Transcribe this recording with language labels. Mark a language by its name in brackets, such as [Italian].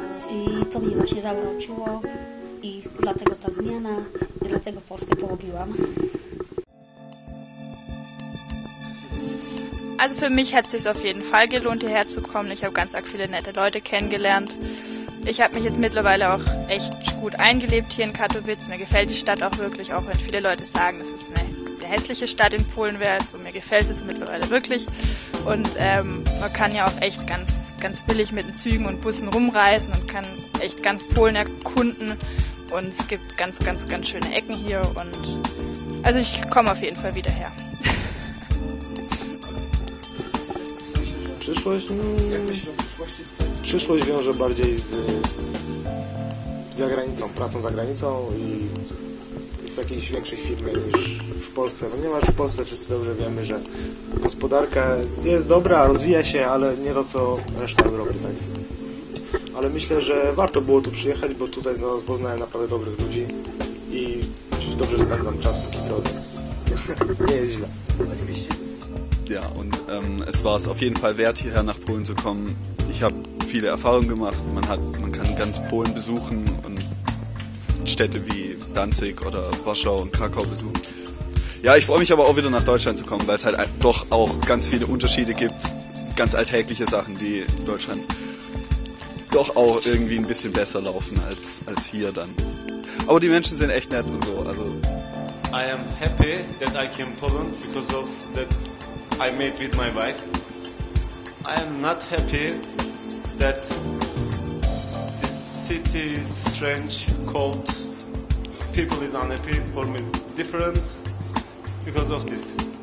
[Polish] I to mnie właśnie zauroczyło i dlatego ta zmiana, i dlatego Polskę polubiłam. [German] Also für mich hat es sich auf jeden Fall gelohnt, hierher zu kommen. Ich habe ganz arg viele nette Leute kennengelernt. Ich habe mich jetzt mittlerweile auch echt gut eingelebt hier in Katowice. Mir gefällt die Stadt auch wirklich, auch wenn viele Leute sagen, es ist eine hässliche Stadt in Polen wäre. Also mir gefällt es mittlerweile wirklich. Und man kann ja auch echt ganz, ganz billig mit den Zügen und Bussen rumreisen und kann echt ganz Polen erkunden. Und es gibt ganz, ganz, ganz schöne Ecken hier. Und also ich komme auf jeden Fall wieder her. [Polish] Przyszłość, przyszłość wiąże bardziej z zagranicą, pracą za granicą i w jakiejś większej firmie niż w Polsce. Ponieważ w Polsce wszyscy dobrze wiemy, że gospodarka jest dobra, rozwija się, ale nie to co reszta Europy. Tak? Ale myślę, że warto było tu przyjechać, bo tutaj poznałem naprawdę dobrych ludzi i dobrze spędzam czas póki co, więc nie jest źle. [German] Ja, und es war es auf jeden Fall wert, hierher nach Polen zu kommen. Ich habe viele Erfahrungen gemacht. Man kann ganz Polen besuchen und Städte wie Danzig oder Warschau und Krakau besuchen. Ja, ich freue mich aber auch wieder nach Deutschland zu kommen, weil es halt doch auch ganz viele Unterschiede gibt. Ganz alltägliche Sachen, die in Deutschland doch auch irgendwie ein bisschen besser laufen als hier dann. Aber die Menschen sind echt nett und so. Also [English] I am happy that I came to Poland because of that I met with my wife. I am not happy that this city is strange, cold, people is unhappy for me, different because of this.